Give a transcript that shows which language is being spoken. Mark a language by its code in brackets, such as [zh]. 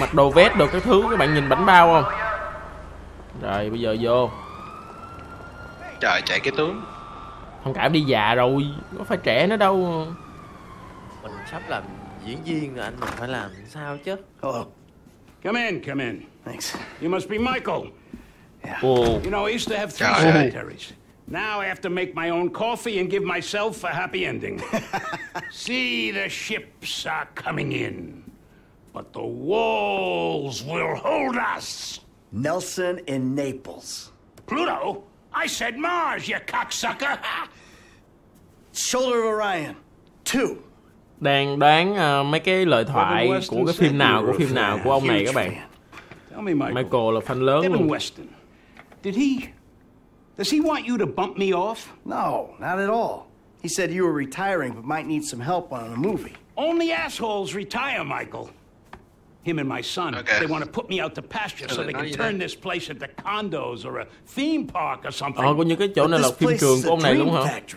[vi] mặc đồ vest đồ các thứ, các bạn nhìn bảnh bao không? Rồi bây giờ vô. Trời, chạy cái tướng. Không, cảm đi già rồi, có phải trẻ nữa đâu. Mình sắp làm diễn viên rồi anh, mình phải làm sao chứ. [en] Come in, come in. Thanks. You must be Michael. Yeah. Oh. You know, I used to have three secretaries. Now I have to make my own coffee and give myself a happy ending. See, the ships are coming in, but the walls will hold us. Nelson in Naples. Pluto? I said Mars, you cocksucker. Shoulder of Orion. Two. [vi] Đang đoán mấy cái lời thoại của cái phim nào, của phim nào của ông này các bạn. [en] Tell me, Michael. [vi] Michael là fan lớn luôn. [en] Weston. Did he? Does he want you to bump me off? No, not at all. He said you were retiring but might need some help on a movie. Only assholes retire, Michael. Him and my son. Okay. They want to put me out to pasture so they can turn this place into condos or a theme park or something. [vi] Ờ, có những cái chỗ này là phim trường của ông này đúng hả?